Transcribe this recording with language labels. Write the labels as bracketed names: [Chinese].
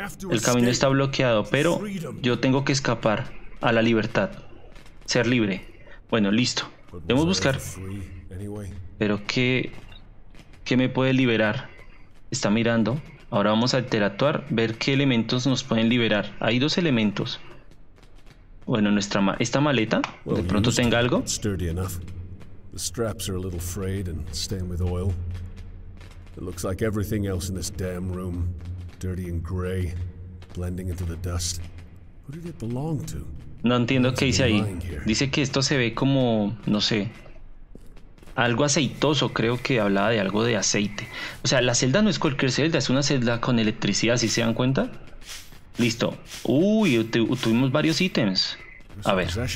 [Spanish] El camino está bloqueado, pero yo tengo que escapar a la libertad. Ser libre. Bueno, listo. Debemos buscar. Pero ¿qué me puede liberar? Está mirando. Ahora vamos a interactuar, ver qué elementos nos pueden liberar. Hay dos elementos. Bueno, esta maleta, de pronto tenga algo. [English] The straps are a little frayed and stained with oil. It looks like everything else in this damn room, dirty and gray, blending into the dust. Who did it belong to? [Spanish] No entiendo qué dice ahí. Dice que esto se ve como, no sé, algo aceitoso, creo que hablaba de algo de aceite. O sea, la celda no es cualquier celda, es una celda con electricidad, ¿sí se dan cuenta? Listo. Uy, tuvimos varios ítems. A ver.